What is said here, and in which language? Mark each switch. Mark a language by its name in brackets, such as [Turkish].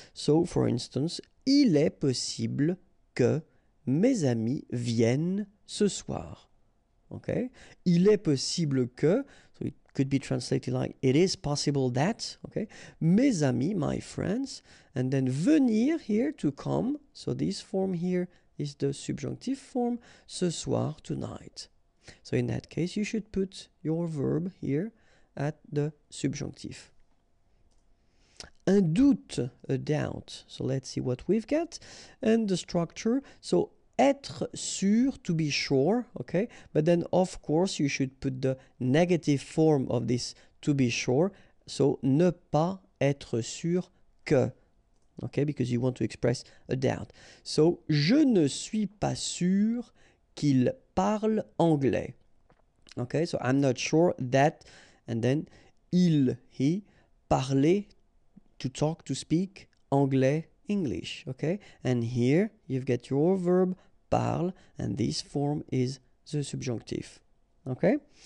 [English] So, for instance, [French] il est possible que mes amis viennent ce soir. Okay, il est possible que. [English] So, it could be translated like it is possible that. Okay, [French] mes amis, [English] my friends. And then venir here, to come, so this form here is the subjonctive form, ce soir, tonight. So in that case, you should put your verb here at the subjonctif. [French] Un doute, [English] a doubt. So let's see what we've got. And the structure, so être sûr, to be sure, okay? But then, of course, you should put the negative form of this to be sure. So [French] ne pas être sûr que. [English] Okay, because you want to express a doubt. [French] So, je ne suis pas sûr qu'il parle anglais. [English] Okay, so I'm not sure that, and then, il, he, parlait, to talk, to speak, anglais, English, okay? And here you've got your verb parle, and this form is the subjunctive. Okay?